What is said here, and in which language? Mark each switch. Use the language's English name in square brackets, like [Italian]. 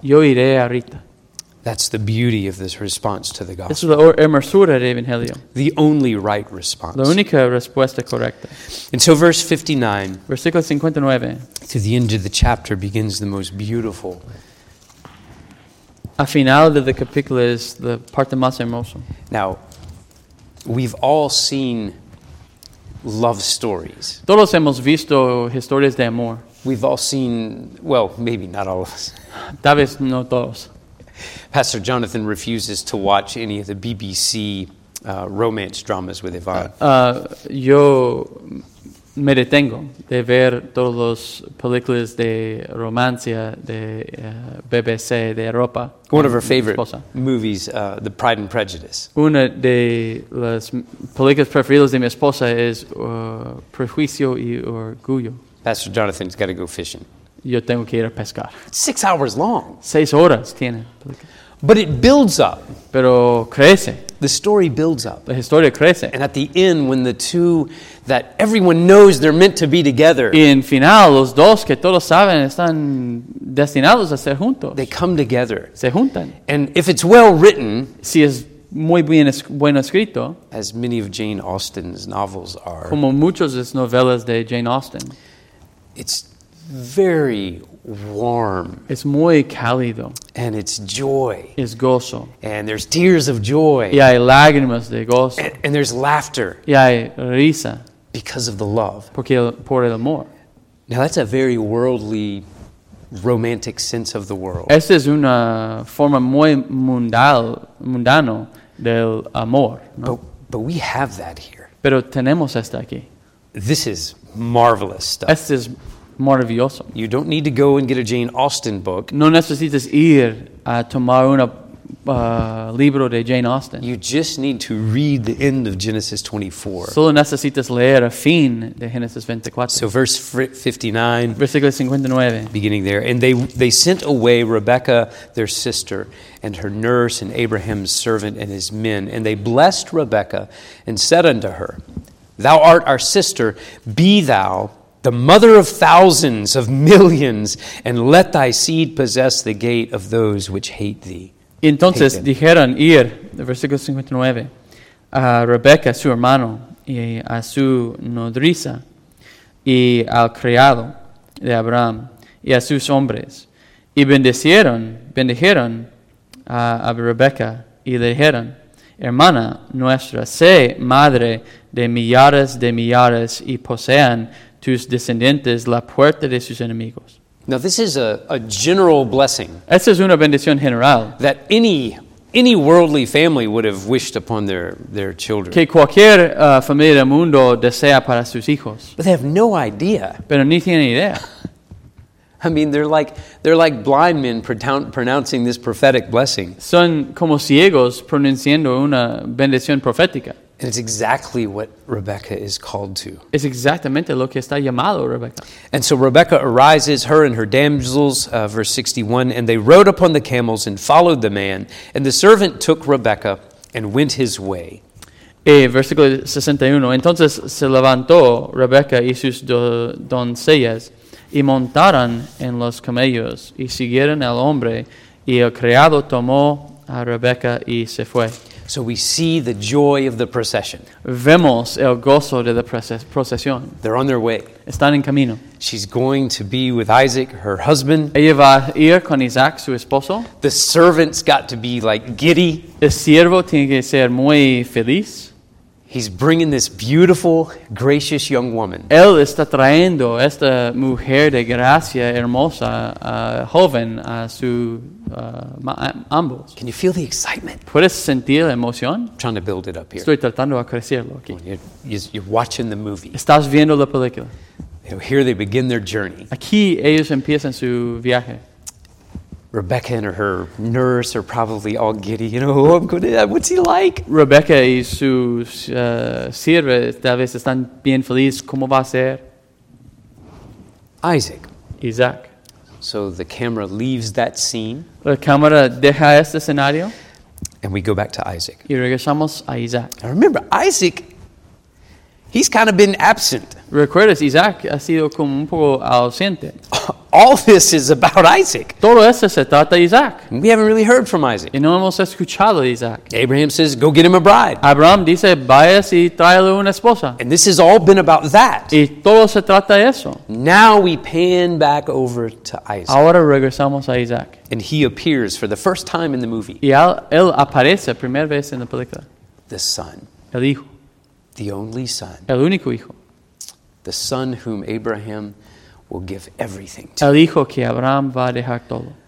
[Spanish] Yo iré ahorita. [English] That's the beauty of this response to the gospel. [Spanish] Es la hermosura del evangelio. [English] The only right response. [Spanish] La única respuesta correcta. [English] And so verse 59. [Spanish] Versículo 59. [English] To the end of the chapter begins the most beautiful. [Spanish] Al final de la capítulo es la parte más hermosa. [English] Now, we've all seen love stories. [Spanish] Todos hemos visto historias de amor. [English] We've all seen, well, maybe not all of us. [Spanish] Tal vez no todos. [English] Pastor Jonathan refuses to watch any of the BBC romance dramas with Yvonne. [Spanish] Yo me detengo de ver todos los películas de romance de BBC de Europa. [English] One of her favorite movies, The Pride and Prejudice. [Spanish] Una de las películas preferidas de mi esposa es Prejuicio y Orgullo. [English] Pastor Jonathan's got to go fishing. [Spanish] Yo tengo que ir a pescar. [English] 6 hours long. [Spanish] 6 horas tiene. [English] But it builds up. [Spanish] Pero crece. [English] The story builds up. [Spanish] La historia crece. [English] And at the end, when the two that everyone knows they're meant to be together. [Spanish] Y en final, los dos que todos saben están destinados a ser juntos. [English] They come together. [Spanish] Se juntan. [English] And if it's well written. [Spanish] Si es muy bien bueno escrito. [English] As many of Jane Austen's novels are. [Spanish] Como muchas de las novelas de Jane Austen. [English] It's very warm. [Spanish] Es muy cálido. [English] And it's joy. [Spanish] Es gozo. [English] And there's tears of joy. [Spanish] Y hay lágrimas de gozo. [English] And there's laughter. [Spanish] Y hay risa. [English] Because of the love. [Spanish] Porque por el amor. [English] Now that's a very worldly, romantic sense of the world. [Spanish] Esa es una forma muy mundano del amor. ¿No? [English] But we have that here. [Spanish] Pero tenemos esta aquí. [English] This is marvelous stuff. [Spanish] Esta es maravilloso. [English] You don't need to go and get a Jane Austen book. [Spanish] No necesitas ir a tomar un libro de Jane Austen. [English] You just need to read the end of Genesis 24. [Spanish] Solo necesitas leer el fin de Genesis 24. [English] So verse 59. [Spanish] Versículo 59. [English] Beginning there. And they sent away Rebekah, their sister, and her nurse, and Abraham's servant, and his men. And they blessed Rebekah and said unto her, Thou art our sister, be thou the mother of thousands, of millions, and let thy seed possess the gate of those which hate thee. [Spanish] Entonces hate dijeron ir, versículo 59, a Rebeca, su hermano, y a su nodriza, y al criado de Abraham, y a sus hombres. Y bendijeron a Rebeca, y le dijeron, hermana nuestra, sé madre de millares, y posean tus descendientes la puerta de sus enemigos. [English] Now this is a general blessing. [Spanish] Esta es una bendición general. [English] That any worldly family would have wished upon their children. [Spanish] Que cualquier familia del mundo desea para sus hijos. [English] But they have no idea. [Spanish] Pero ni tienen idea. [English] I mean, they're like blind men pronouncing this prophetic blessing. [Spanish] Son como ciegos pronunciando una bendición profética. [English] And it's exactly what Rebecca is called to. [Spanish] Es exactamente lo que está llamado Rebecca. [English] And so Rebecca arises, her and her damsels, verse 61, and they rode upon the camels and followed the man, and the servant took Rebecca and went his way. [Spanish] Versículo 61. Entonces se levantó Rebeca y sus doncellas y montaron en los camellos y siguieron al hombre y el criado tomó a Rebeca y se fue. [English] So we see the joy of the procession. [Spanish] Vemos el gozo de la procesión. [English] They're on their way. [Spanish] Están en camino. [English] She's going to be with Isaac, her husband. [Spanish] Ella va a ir con Isaac, su esposo. [English] The servant's got to be like giddy. [Spanish] El siervo tiene que ser muy feliz. [English] He's bringing this beautiful, gracious young woman. [Spanish] Él está trayendo esta mujer de gracia hermosa, joven, a su ambos. [English] Can you feel the excitement? [Spanish] ¿Puedes sentir la emoción? [English] I'm trying to build it up here. [Spanish] Estoy tratando a crecerlo aquí. [English] Well, you're watching the movie. [Spanish] Estás viendo la película. [English] Here they begin their journey. [Spanish] Aquí ellos empiezan su viaje. [English] Rebecca and her nurse are probably all giddy. You know, oh, I'm good at that. What's he like? [Spanish] Rebecca y su sirve tal vez están bien felices. ¿Cómo va a ser? [English] Isaac. So the camera leaves that scene. [Spanish] La cámara deja este escenario. [English] And we go back to Isaac. [Spanish] Y regresamos a Isaac. [English] Now remember, Isaac, he's kind of been absent. [Spanish] ¿Recuerdas? Isaac ha sido como un poco ausente. [English] All this is about Isaac. [Spanish] Todo eso se trata de Isaac. [English] We haven't really heard from Isaac. [Spanish] Y no hemos escuchado de Isaac. [English] Abraham says, go get him a bride. [Spanish] Abraham dice, vayas y tráele una esposa. [English] And this has all been about that. [Spanish] Y todo se trata de eso. [English] Now we pan back over to Isaac. [Spanish] Ahora regresamos a Isaac. [English] And he appears for the first time in the movie. [Spanish] Y él aparece primera vez en la película. [English] The son. [Spanish] El hijo. [English] The only son. [Spanish] El único hijo. [English] The son whom Abraham will give everything to. [Spanish] El hijo que Abraham va a dejar todo.